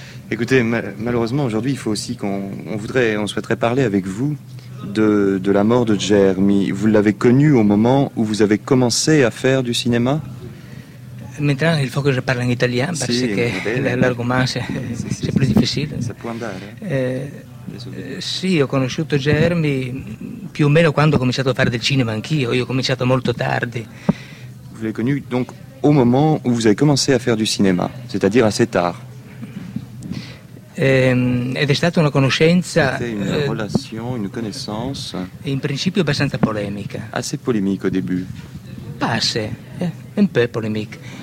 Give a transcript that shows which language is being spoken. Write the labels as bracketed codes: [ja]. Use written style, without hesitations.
[fr] Écoutez, malheureusement, aujourd'hui, il faut aussi on souhaiterait parler avec vous de la mort de Germi. Vous l'avez connu au moment où vous avez commencé à faire du cinéma? Maintenant, il faut que je parle en italien, parce [it] si, que bene. [fr] L'argument, c'est plus difficile. Ça peut [it] andare. Sì, ho conosciuto Germi più o meno quando ho cominciato a fare del cinema anch'io. Io ho cominciato molto tardi. [fr] Vous l'avez connu donc au moment où vous avez commencé à faire du cinéma, c'est-à-dire assez tard. [it] Ed è stata una conoscenza. [fr] C'était une relation, une connaissance. [it] In principio abbastanza polemica. [fr] Assez polémique au début. Pas assez, un peu polémique.